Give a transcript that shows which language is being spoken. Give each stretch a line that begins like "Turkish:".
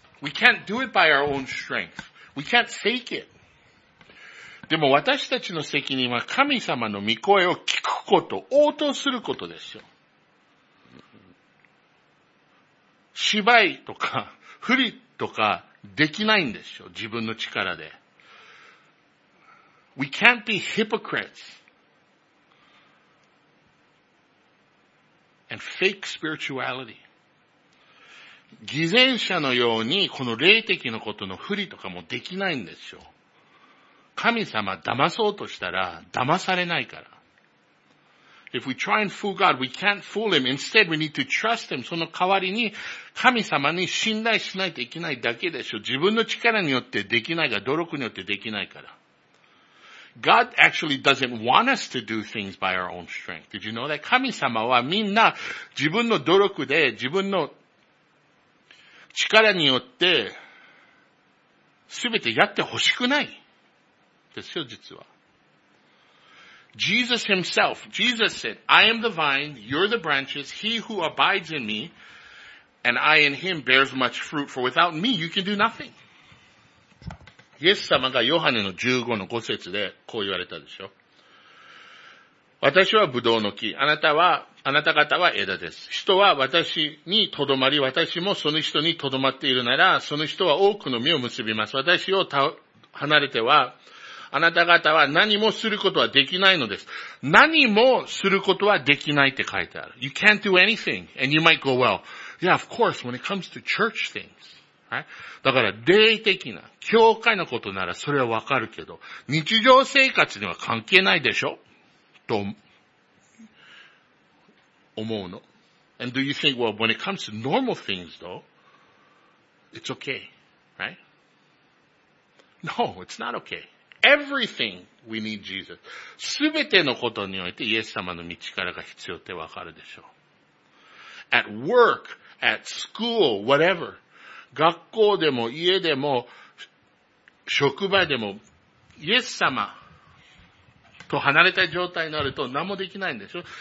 English: We can't do it by our own strength. We can't fake it.
Japanese: でも私たちの責任は神様の御声を聞くこと、応答することですよ。芝居とか、不利とか、できないんですよ。自分の力で。
English: We can't be hypocrites. And fake spirituality.
Japanese: 偽善者のように、この霊的なことの不利とかもできないんですよ。神様、騙そうとしたら、騙されないから。
English: If we try and fool God, we can't fool him. Instead, we need to trust him.
Japanese: その代わりに神様に信頼しないといけないだけでしょ。自分の力によってできないが、努力によってできないから。
English: God actually doesn't want us to do things by our own strength. Did you know that?
Japanese: 神様はみんな自分の努力で、自分の力によって、すべてやってほしくない。ですよ、実は。
English: Jesus himself, Jesus said, I am the vine, you're the branches, he who abides in me, and I in him bears much fruit, for without me you can do nothing.
Japanese: イエス様がヨハネの15の5節でこう言われたでしょ。私はブドウの木、あなた方は枝です。人は私にとどまり、私もその人にとどまっているなら、その人は多くの実を結びます。私を離れては、あなた方は何もすることはできないのです。何もすることはできないって書いてある。
English: You can't do anything, and you might go well. Yeah, of course, when it comes to church things. Right?
Japanese: だから、霊的な、教会のことならそれはわかるけど、日常生活には関係ないでしょ? と思うの。
English: And do you think, well, when it comes to normal things though, it's okay, right? No, it's not okay. Everything we need Jesus.
Japanese: すべてのことにおいてイエス様の御力が必要ってわかるでしょう。
English: At work, at school, whatever.
Japanese: 学校でも家でも職場でもイエス様と離れた状態になると何もできないんでしょ。